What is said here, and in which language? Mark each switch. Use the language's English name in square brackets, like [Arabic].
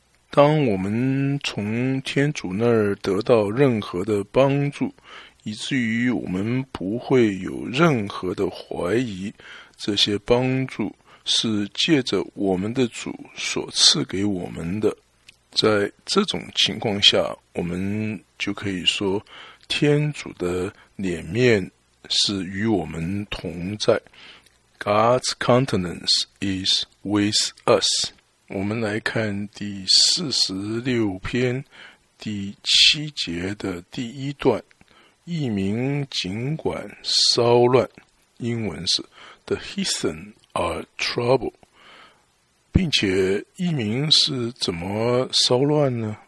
[Chinese] 当我们从天主那儿得到任何的帮助，以至于我们不会有任何的怀疑，这些帮助是借着我们的主所赐给我们的。在这种情况下，我们就可以说天主的脸面是与我们同在。 [English] God's countenance is with us。 [Chinese] 我们来看第46篇第七节的第一段，译名尽管骚乱，英文是 [English] The heathen are troubled。 [Chinese] 并且译名是怎么骚乱呢？